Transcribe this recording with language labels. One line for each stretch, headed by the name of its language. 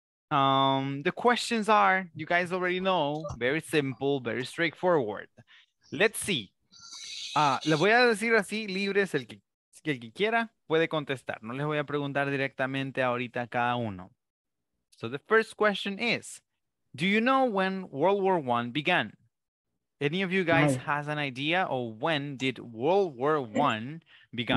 English: The questions are, you guys already know, very simple, very straightforward. Let's see.
Spanish: Les voy a decir así, libres, el que quiera puede contestar. No les voy a preguntar directamente ahorita a cada uno.
English: So the first question is, do you know when World War I began? Any of you guys has an idea of when did World War I begin?